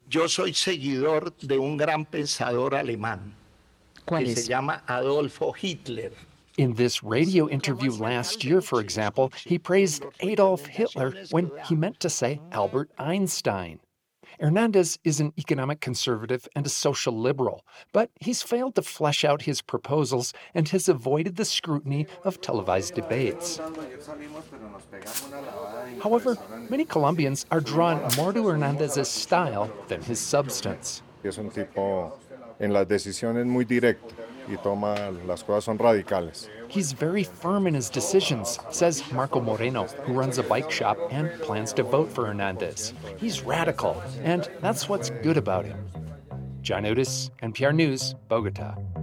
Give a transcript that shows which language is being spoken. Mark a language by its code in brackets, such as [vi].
[es] Yo soy seguidor de un gran pensador alemán que se llama Adolfo Hitler. [en] In this radio interview last year, for example, he praised Adolf Hitler when he meant to say Albert Einstein. Hernandez is an economic conservative and a social liberal, but he's failed to flesh out his proposals and has avoided the scrutiny of televised debates. However, many Colombians are drawn more to Hernandez's style than his substance. [es] Es un tipo en las decisiones muy directo. Las cosas son radicales. [en] He's very firm in his decisions, says Marco Moreno, who runs a bike shop and plans to vote for Hernandez. He's radical, and that's what's good about him. John Otis, NPR News, Bogota.